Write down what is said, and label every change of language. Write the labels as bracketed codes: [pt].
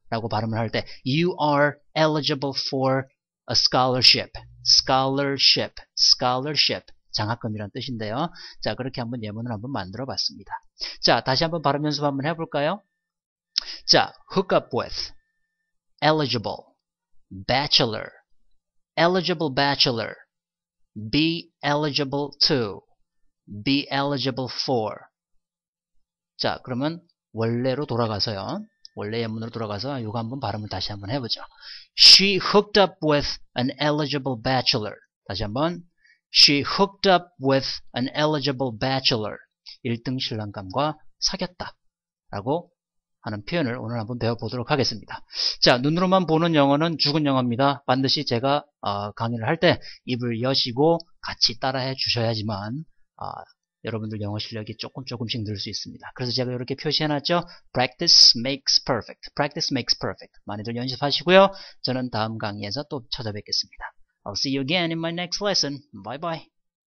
[ko] 라고 발음을 할 때 [en] You are eligible for a scholarship. [ko] Scholarship. Scholarship. 장학금이란 뜻인데요. 자, 그렇게 한번 예문을 한번 만들어 봤습니다. 자, 다시 한번 발음 연습 한번 해볼까요? [en] 자, hook up with, eligible, bachelor, eligible bachelor, be eligible to, be eligible for. [ko] 자, 그러면 원래로 돌아가서요. 원래 예문으로 돌아가서 이거 한번 발음을 다시 한번 해보죠. [en] She hooked up with an eligible bachelor. [ko] 다시 한번. [en] She hooked up with an eligible bachelor. [ko] 1등 신랑감과 사귀었다. 라고 하는 표현을 오늘 한번 배워보도록 하겠습니다. 자, 눈으로만 보는 영어는 죽은 영어입니다. 반드시 제가 강의를 할 때 입을 여시고 같이 따라해 주셔야지만 여러분들 영어 실력이 조금씩 늘 수 있습니다. 그래서 제가 이렇게 표시해놨죠. [en] Practice makes perfect. Practice makes perfect. [ko] 많이들 연습하시고요. 저는 다음 강의에서 또 찾아뵙겠습니다. [en] I'll see you again in my next lesson. Bye bye.